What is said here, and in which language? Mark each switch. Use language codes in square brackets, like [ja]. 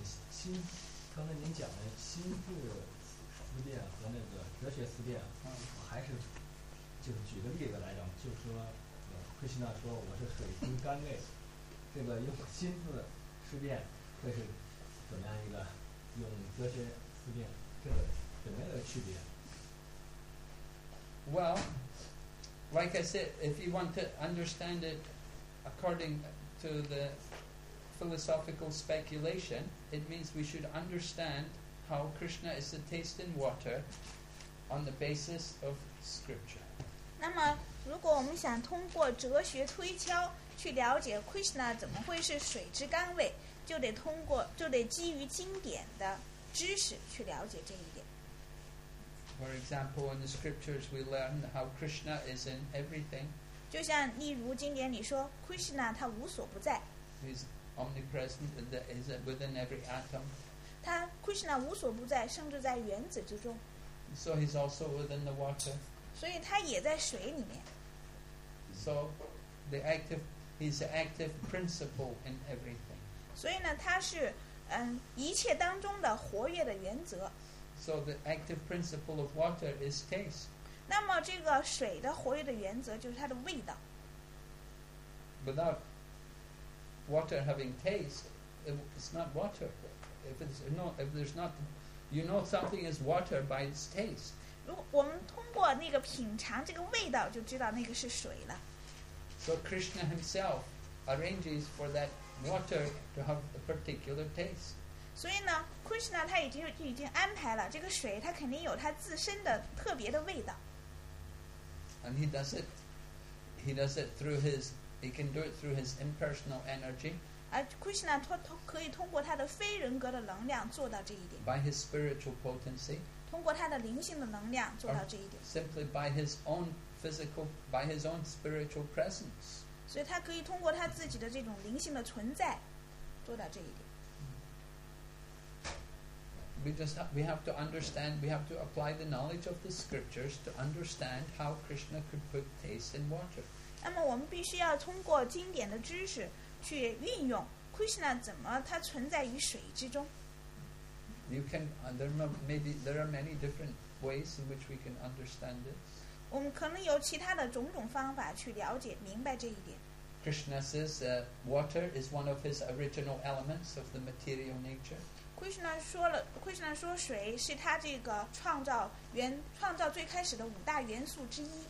[zh] 心，刚才您讲的心智思辨和那个哲学思辨，还是。就是举个例子来讲，就是说，奎西纳说我是水中干贝，这个用心智思辨会是怎么样一个？用哲学思辨，这个怎么样的区别 [en] ？Well, like I said, if you want to understand it according to the philosophical speculation, it means we should understand how Krishna is the taste in water on the basis of scripture. [zh] 那么，如果我们想通过哲学推敲去了解 Krishna 怎么会是水之甘味，就得基于经典的知识去了解这一点。 [en] For example, in the scriptures, we learn how Krishna is in everything. [zh] 就像例如经典里说 ，Krishna 他无所不在。 [en] He's omnipresent, and is within every atom. [zh] 他 Krishna 无所不在，甚至在原子之中。 [en] So he's also within the water. [zh] 所以他也在水里面。 [en] So, he's the active principle in everything. [zh] 所以呢，他是一切当中的活跃的原则。 [en] So the active principle of water is taste. [zh] 那么这个水的活跃的原则就是它的味道。 [en] Without water having taste, it's not water. If there's not, something is water by its taste. [zh] 如果我们通过那个品尝这个味道，就知道那个是水了。 [en] So Krishna himself arranges for that water to have a particular taste. [zh] 所以呢 ，Krishna 他已经安排了这个水，它肯定有它自身的特别的味道。 [en] And he does it. He does it through his. He can do it through his impersonal energy. [zh] 而 Krishna 他可以通过他的非人格的能量做到这一点。 [en] By his spiritual potency. [zh] 通过他的灵性的能量做到这一点。 [en] Simply by his own physical, by his own spiritual presence. [zh] 所以他可以通过他自己的这种灵性的存在，做到这一点。 [en] We have to apply the knowledge of the scriptures to understand how Krishna could put taste in water. [zh] 那么我们必须要通过经典的知识去运用 Krishna 怎么它存在于水之中。 [en] You can there are many different ways in which we can understand this. [zh] 我们可能有其他的种种方法去了解明白这一点。 [en] Krishna says water is one of his original elements of the material nature. [zh] Krishna 说水是他这个创造最开始的五大元素之一。